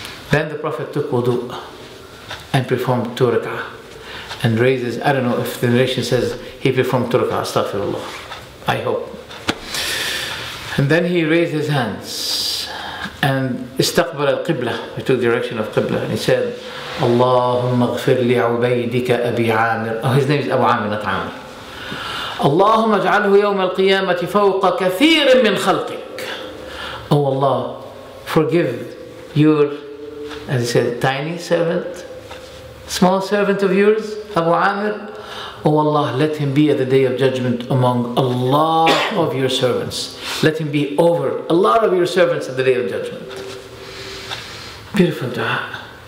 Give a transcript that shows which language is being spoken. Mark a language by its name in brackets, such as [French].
[English] Then the Prophet took wudu and performed two rak'ah and raises, I don't know if the narration says he performed two rak'ah, astaghfirullah. I hope. And then he raised his hands and [Arabic] istaqbal al-qibla, [English] he took direction of qibla, and he said, [Arabic] Allahumma ghfir li ubaydika abi amir. [English] Oh, his name is Abu Amir, not Amir. [Arabic] اللهم اجعله يوم القيامة فوق كثير من خلقك. [English] Oh Allah, forgive your, as he said, tiny servant, small servant of yours, Abu Amir. Oh Allah, let him be at the day of judgment among a lot of your servants. Let him be over a lot of your servants at the day of judgment. Beautiful dua.